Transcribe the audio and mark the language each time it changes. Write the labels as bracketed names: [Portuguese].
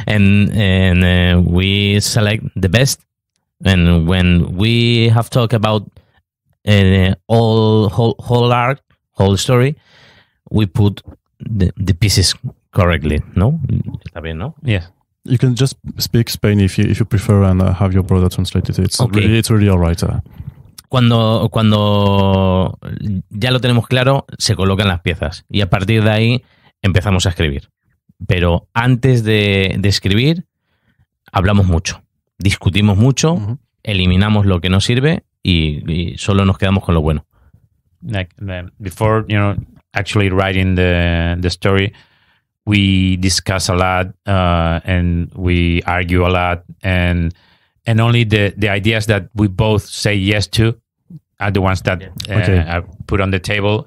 [English] And we select the best, and when we have talked about whole story, we put the pieces correctly. [Spanish] No, está bien, no? [English] Yes. You can just speak Spanish if you prefer and have your brother translate it. It's really all right. [Spanish] Cuando ya lo tenemos claro, se colocan las piezas y a partir de ahí empezamos a escribir. Pero antes de escribir, hablamos mucho, discutimos mucho, uh-huh. Eliminamos lo que no sirve y solo nos quedamos con lo bueno. [English] Like, before, you know, actually writing the story, we discuss a lot and we argue a lot, and only the ideas that we both say yes to are the ones that I put on the table.